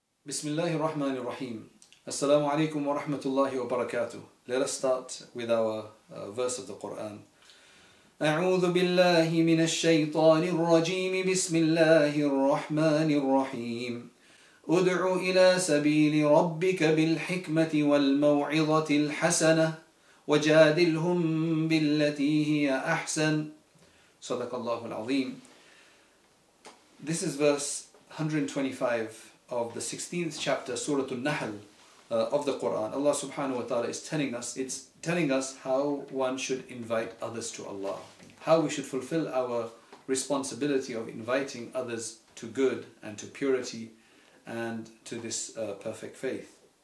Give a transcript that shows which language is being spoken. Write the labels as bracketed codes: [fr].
[ar] بسم الله الرحمن الرحيم السلام عليكم ورحمة الله وبركاته. [en] Let us start with our verse of the Quran. [ar] أعوذ بالله من الشيطان الرجيم بسم الله الرحمن الرحيم أدع إلى سبيل ربك بالحكمة والموعظة الحسنة وجادلهم بالتي هي أحسن. صدق الله العظيم. [en] This is verse 125 of the 16th chapter, Surah An-Nahl, of the Qur'an. Allah subhanahu wa ta'ala is telling us, it's telling us how one should invite others to Allah, how we should fulfill our responsibility of inviting others to good and to purity and to this perfect faith.